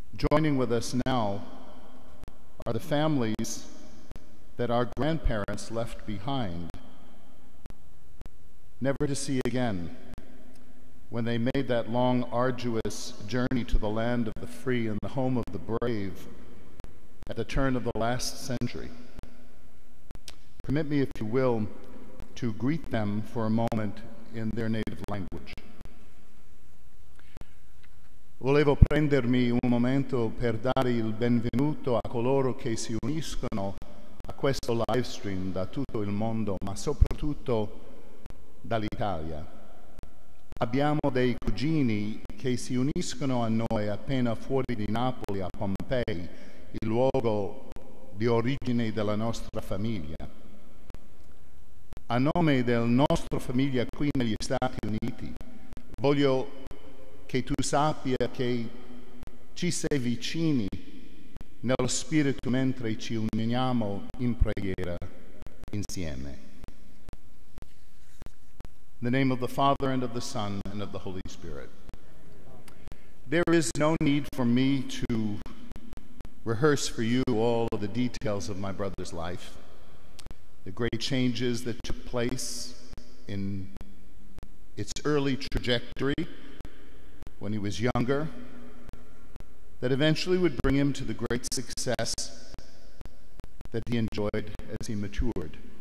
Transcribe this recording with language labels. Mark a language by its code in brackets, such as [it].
[en] Joining with us now are the families that our grandparents left behind, never to see again, when they made that long, arduous journey to the land of the free and the home of the brave at the turn of the last century. Permit me, if you will, to greet them for a moment in their native language. [it] Volevo prendermi un momento per dare il benvenuto a coloro che si uniscono a questo live stream da tutto il mondo, ma soprattutto dall'Italia. Abbiamo dei cugini che si uniscono a noi appena fuori di Napoli, a Pompei, il luogo di origine della nostra famiglia. A nome del nostro famiglia qui negli Stati Uniti, voglio che tu sappia che ci sei vicini nello spirito mentre ci uniamo in preghiera insieme. [en] In the name of the Father, and of the Son, and of the Holy Spirit. There is no need for me to rehearse for you all of the details of my brother's life, the great changes that took place in its early trajectory when he was younger, that eventually would bring him to the great success that he enjoyed as he matured.